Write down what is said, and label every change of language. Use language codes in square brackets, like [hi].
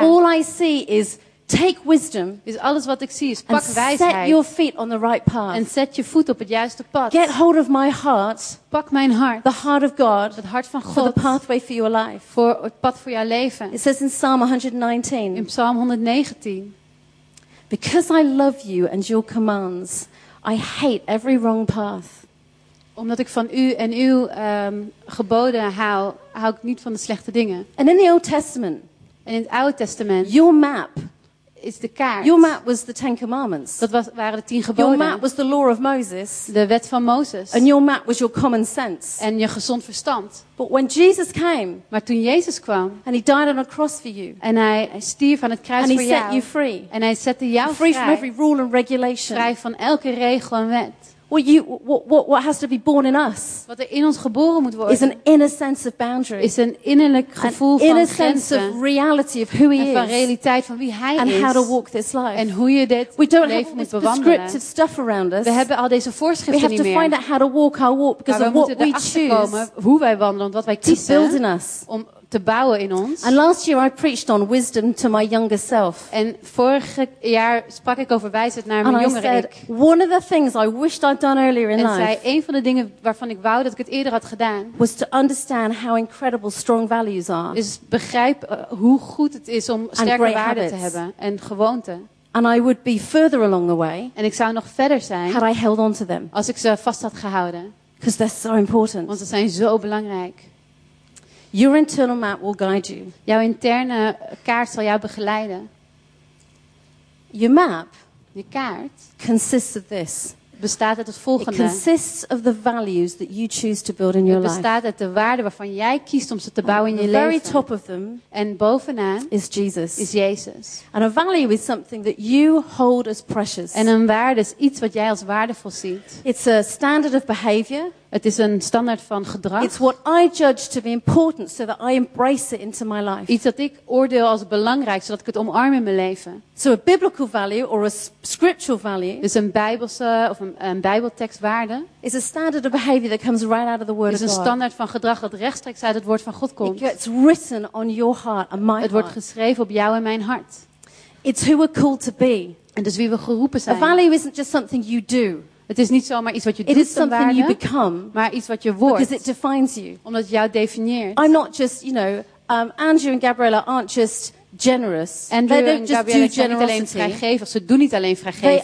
[en] all I see is take wisdom. [nl] Is alles wat ik zie is pak wijsheid. [en] Set your feet on the right path. [nl] En zet je voet op het juiste pad. [en] Get hold of my heart. [nl] Pak mijn hart. [en] The heart of God. [nl] Het hart van God. [en] For the pathway for your life. [nl] Voor het pad voor jouw leven. [en] It says in Psalm 119. [nl] In Psalm 119. [en] Because I love you and your commands, I hate every wrong path. [nl] Omdat ik van u en uw geboden hou, hou ik niet van de slechte dingen. [en] And in the Old Testament. [nl] En in het Oude Testament. [en] Your map. [nl] Is de kaart. [en] Your map was the Ten Commandments. [nl] Dat was, waren de 10 geboden. [en] Your map was the law of Moses. [nl] De wet van Mozes. [en] And your map was your common sense. [nl] En je gezond verstand. [en] But when Jesus came, [nl] maar toen Jezus kwam, [en] and he died on a cross for you, [nl] en hij stierf aan het kruis voor jou, [en] and he set you free, [nl] en hij zette jou [en] free from every rule and regulation, [nl] vrij van elke regel en wet. [en] What has to be born in us? [nl] Wat er in ons geboren moet worden. [en] Is an inner sense of boundary. [nl] Is een innerlijk gevoel van grenzen. [en] Sense of reality of who he is. [nl] En van realiteit van wie hij is. [en] And how to walk this life. [nl] En hoe je dit leven moet bewandelen. [en] We don't have prescriptive stuff around us. [nl] We hebben al deze voorschriften niet meer. [en] We have to find out how to walk our walk because of what we choose. [nl] We moeten erachter komen hoe wij wandelen, wat wij kiezen. [en] To build in us. [nl] Om te bouwen in ons. [en] And last year I preached on wisdom to my younger self. [nl] En vorig jaar sprak ik over wijsheid naar mijn jongere ik. [en] One of the things I wished I'd done earlier in life. [nl] En zei een van de dingen waarvan ik wou dat ik het eerder had gedaan. [en] Was to understand how incredible strong values are. [nl] Is begrijp hoe goed het is om sterke waarden te hebben en gewoonten. [en] And I would be further along the way. [nl] En ik zou nog verder zijn. [en] Had I held on to them. [nl] Als ik ze vast had gehouden. [en] Because they're so important. [nl] Want ze zijn zo belangrijk. [en] Your internal map will guide you. [nl] Jouw interne kaart zal jou begeleiden. [en] Your map, [nl] je kaart, [en] consists of this. [nl] Bestaat uit het volgende. [en] It consists of the values that you choose to build in your life. [nl] Het bestaat uit de waarden waarvan jij kiest om ze te bouwen in je leven. [en] The very top of them, [nl] en bovenaan, [en] is Jesus. [nl] Is Jezus. [en] And a value is something that you hold as precious. [nl] En een waarde is iets wat jij als waardevol ziet. [en] It's a standard of behavior. [nl] Het is een standaard van gedrag. [en] It's what I judge to be important, so that I embrace it into my life. [nl] Iets dat ik oordeel als belangrijk, zodat ik het omarm in mijn leven. [en] So a biblical value or a scriptural value. [nl] Dus een bijbelse of een bijbeltekstwaarde. [en] Is a standard of behavior that comes right out of the Word of God. [nl] Is een standaard van gedrag dat rechtstreeks uit het Woord van God komt. [en] It's written on your heart and my heart. [nl] Het wordt geschreven op jou en mijn hart. [en] It's who we're called to be. [nl] En dus wie we geroepen zijn. [en] A value isn't just something you do. [nl] Het is niet zomaar iets wat je [en] it [nl] doet, [en] is something [nl] waarde, [en] you become, [nl] maar iets wat je wordt. [en] Because it defines you. [nl] Omdat het jou definieert. [en] I'm not just, you know, Andrew and Gabriella aren't just generous. [nl] Andrew [en] they don't just [nl] Gabriella do zijn niet alleen vrijgevig. Ze doen niet alleen vrijgevig.